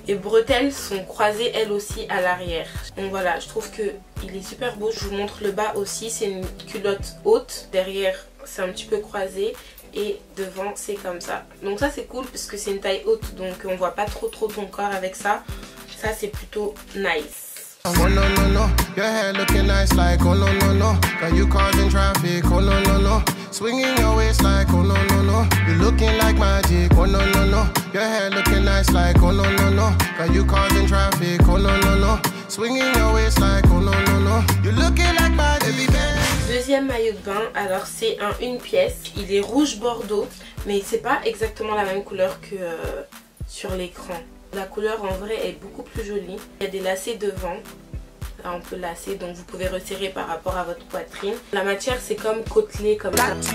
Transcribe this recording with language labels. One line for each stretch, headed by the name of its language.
French: Les bretelles sont croisées elles aussi à l'arrière. Donc voilà, je trouve que il est super beau. Je vous montre le bas aussi. C'est une culotte haute. Derrière c'est un petit peu croisé. Et devant c'est comme ça. Donc ça c'est cool parce que c'est une taille haute. Donc on voit pas trop trop ton corps avec ça. Ça c'est plutôt nice.
English: Oh no no no, your hair looking nice like oh no no no. Got you causing traffic, oh no no no. Swinging your waist like oh no no no. You're looking like magic, oh no no no. Your hair looking nice like oh no no no. Got you causing traffic, oh no no no. Swinging your waist like oh no no no. You're looking like magic.
French: Deuxième maillot de bain, alors c'est un une pièce. Il est rouge bordeaux, mais c'est pas exactement la même couleur que sur l'écran. La couleur en vrai est beaucoup plus jolie. Il y a des lacets devant. Là on peut lacer, donc vous pouvez resserrer par rapport à votre poitrine. La matière c'est comme côtelé comme ça.